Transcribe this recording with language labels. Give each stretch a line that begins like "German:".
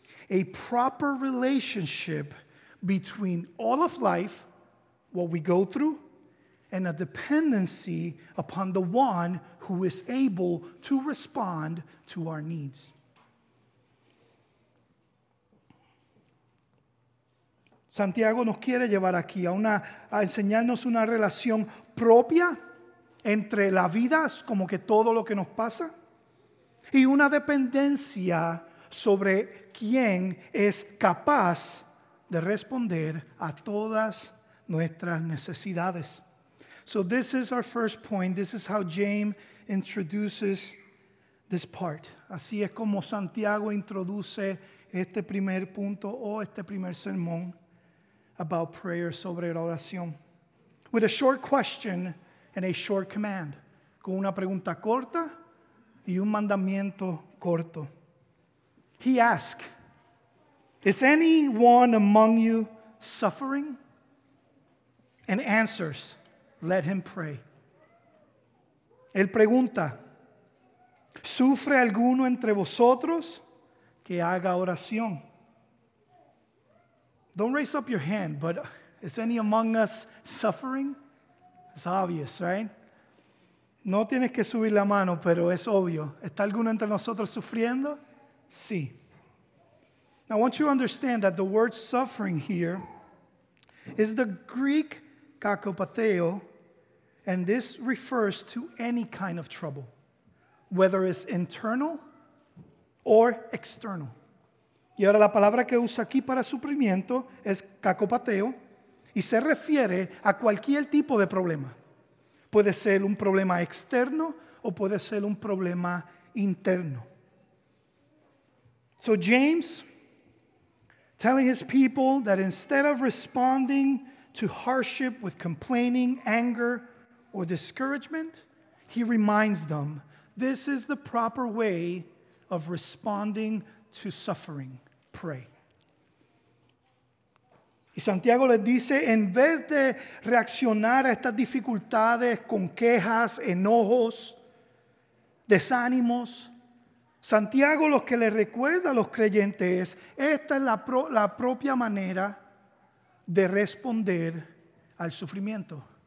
English: A proper relationship between all of life, what we go through, and a dependency upon the one who is able to respond to our needs.
Spanish: Santiago nos quiere llevar aquí a enseñarnos una relación propia entre la vida, como que todo lo que nos pasa, y una dependencia sobre quién es capaz de responder a todas nuestras necesidades.
English: So this is our first point. This is how James introduces this part.
Spanish: Así es como Santiago introduce este primer punto o este primer sermón
English: about prayer,
Spanish: sobre la oración.
English: With a short question and a short command.
Spanish: Con una pregunta corta y un mandamiento corto.
English: He asked, Is anyone among you suffering? And answers, let him pray.
Spanish: Él pregunta, ¿sufre alguno entre vosotros? Que haga oración.
English: Don't raise up your hand, but is any among us suffering? It's obvious, right?
Spanish: No tienes que subir la mano, pero es obvio. ¿Está alguno entre nosotros sufriendo? Sí.
English: Now, I want you to understand that the word suffering here is the Greek kakopatheo, and this refers to any kind of trouble, whether it's internal or external.
Spanish: Y ahora la palabra que usa aquí para sufrimiento es kakopatheo, y se refiere a cualquier tipo de problema. Puede ser un problema externo o puede ser un problema interno.
English: So James, telling his people that instead of responding to hardship with complaining, anger, or discouragement, he reminds them, this is the proper way of responding to suffering. Pray.
Spanish: Y Santiago les dice, en vez de reaccionar a estas dificultades con quejas, enojos, desánimos, Santiago lo que le recuerda a los creyentes es, esta es la propia manera de responder al sufrimiento.